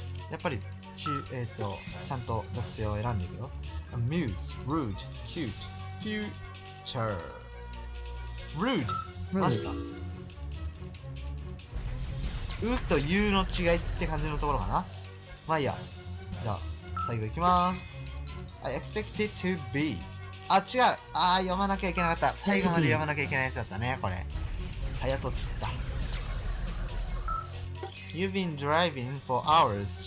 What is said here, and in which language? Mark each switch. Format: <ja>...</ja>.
<ja>やっぱりちゃんと属性を選んでいくよ。</ja> <en>Amuse, rude, cute, future.</en> <ja>Rude、 マジか。うと言うの違いって感じのところかな。まあいいや。じゃあ最後いきます。</ja> <en>I expect it to be</en> <ja>あ、違う。あー、読まなきゃいけなかった。最後まで読まなきゃいけないやつだったね、これ。早とちった。</ja> <en>You've been driving for hours.</en>